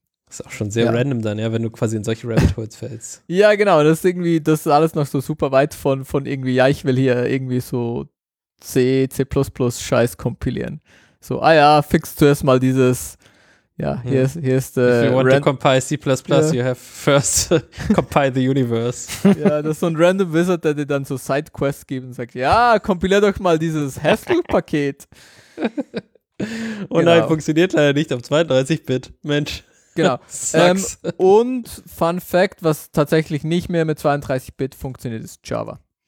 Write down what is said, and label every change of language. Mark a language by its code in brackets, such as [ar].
[de] Ist auch schon sehr random dann, ja, wenn du quasi in solche Rabbit Holes fällst. Ja, genau, das ist irgendwie, das ist alles noch so super weit von irgendwie, ja, ich will hier irgendwie so C, C++-Scheiß kompilieren. So, ah ja, fix zuerst mal dieses, ja, hier ist [en] If you want to compile C++, you have first compile the universe. [de] Ja, das ist so ein random Wizard, der dir dann so Sidequests gibt und sagt, ja, kompilier doch mal dieses Haskell-Paket. Und nein, funktioniert leider nicht auf 32-Bit, Mensch. Genau. Und Fun Fact, was tatsächlich nicht mehr mit 32-Bit funktioniert, ist Java.